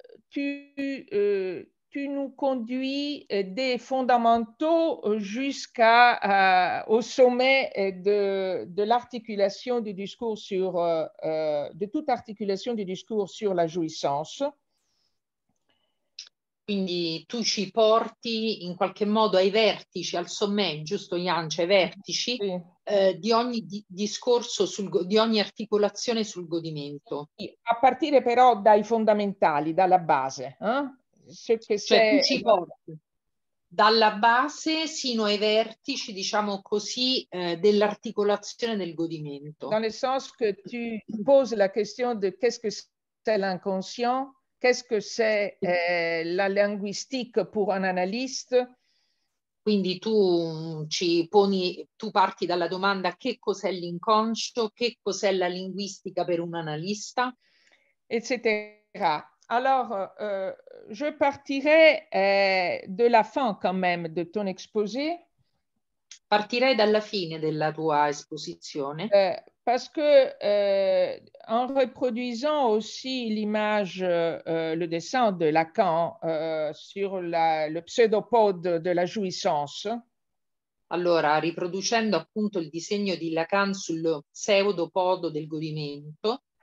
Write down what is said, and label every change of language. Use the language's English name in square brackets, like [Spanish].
[French] Tu nous conduis des fondamentaux jusqu'à au sommet de l'articulation du discours sur de toute articulation du discours sur la jouissance. [Italian] Quindi tu ci porti in qualche modo ai vertici, al sommet, giusto Jans, ai vertici sì. Di ogni discorso sul di ogni articolazione sul godimento. A partire però dai fondamentali, dalla base, eh? Cioè, tu ci porti dalla base sino ai vertici, diciamo così, dell'articolazione del godimento. [French] Dans le sens que tu poses la question de qu'est-ce que c'est l'inconscient, qu'est-ce que c'est la linguistique pour un analyste. [Italian] Quindi tu parti dalla domanda che cos'è l'inconscio, che cos'è la linguistica per un analista, eccetera. [French] Alors, je partirai de la fin quand même de ton exposé. [Italian] Partirai dalla fine della tua esposizione. [French] Parce que en reproduisant aussi l'image, le dessin de Lacan sur le pseudopode de la jouissance. [Italian] Allora, riproducendo appunto il disegno di Lacan sul pseudopodo del godimento.